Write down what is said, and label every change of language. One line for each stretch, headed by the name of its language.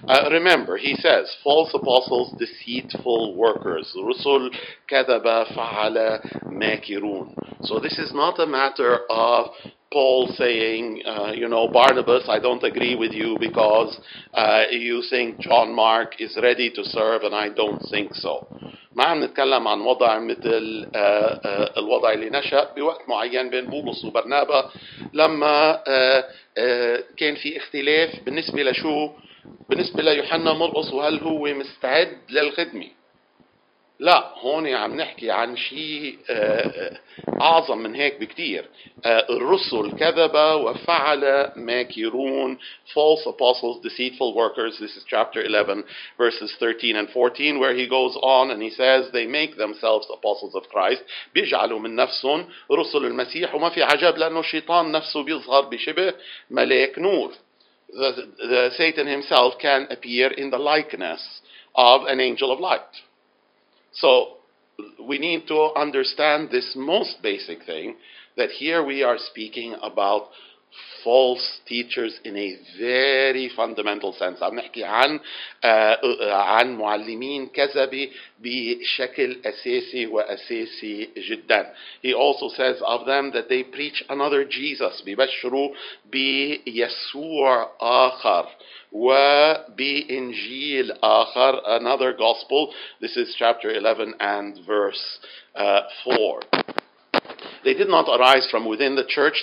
English: Remember, he says, false apostles, deceitful workers,
Arabic: rusul kadaba fa'ala makirun.
English: So this is not a matter of Paul saying, Barnabas, I don't agree with you because you think John Mark is ready to serve and I don't think so.
Arabic: ما عم نتكلم عن وضع مثل الوضع اللي نشأ بوقت معين بين بولس وبرنابا لما كان في اختلاف بالنسبة لشو؟ بالنسبة ليوحنا مرقس وهل هو مستعد للخدمة؟ لا، هون عم نحكي عن شيء أعظم من هيك بكتير. الرسل كذبة وفعل ماكرون.
English: False apostles, deceitful workers. This is chapter 11, verses 13 and 14, where he goes on and he says, they make themselves apostles of Christ.
Arabic: بيجعلوا من نفسهم رسل المسيح وما في عجب لأنه الشيطان نفسه بيظهر بشبه ملاك نور.
English: The Satan himself can appear in the likeness of an angel of light. So we need to understand this most basic thing, that here we are speaking about false teachers in a very fundamental sense.
Arabic: عم نحكي عن عن معلمين كذبي بشكل أساسي وأساسي جدا.
English: He also says of them that they preach another Jesus.
Arabic: بيبشروا بيسوع آخر وبإنجيل آخر,
English: another gospel. This is chapter 11 and verse 4. They did not arise from within the church.